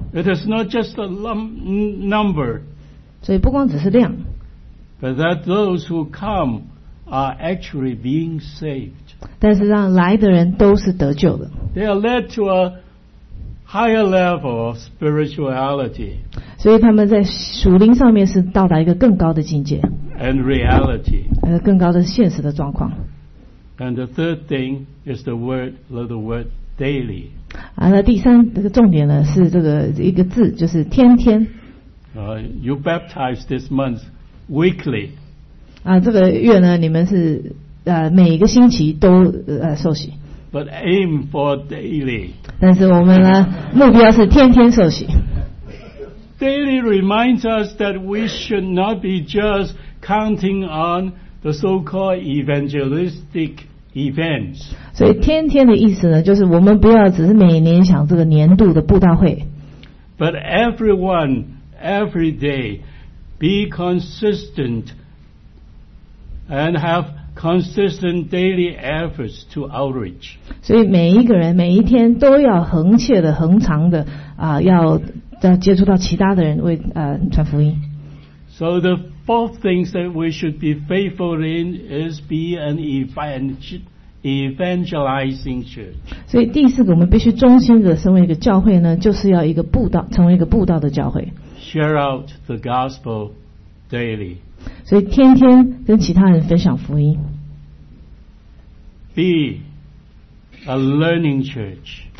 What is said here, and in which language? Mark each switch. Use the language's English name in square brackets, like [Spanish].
[English] It is not just a number. [Chinese] 所以不光只是量。 [English] But that those who come are actually being saved. [Chinese] 但是让来的人都是得救的。 [English] They are led to a higher level of spirituality， [Chinese] 所以他们在属灵上面是到达一个更高的境界。 [English] And reality， [Chinese] 更高的现实的状况。 [English] And the third thing is the word daily。 [Chinese] 啊，那第三这个重点呢是这个一个字，就是天天。 [English] You baptize this month weekly。 [Chinese] 啊，这个月呢，你们是每一个星期都受洗。 [English] But aim for daily。 [Chinese] 但是我们呢，目标是天天受洗。 [English] Daily reminds us that we should not be just counting on the so-called evangelistic events。 [Chinese] 所以天天的意思呢，就是我们不要只是每年想这个年度的布道会。 [English] But everyone, every day, be consistent and have. Consistent daily efforts to outreach. [Chinese] 所以每一个人每一天都要恒切的恒长的要接触到其他的人为传福音。 [English] So the fourth things that we should be faithful in is be an evangelizing church. [Chinese] 所以第四个我们必须忠心的身为一个教会呢，就是要一个布道，成为一个布道的教会。 [English] Share out the gospel daily. [Chinese] 所以天天跟其他人分享福音。 [English] Be a learning church.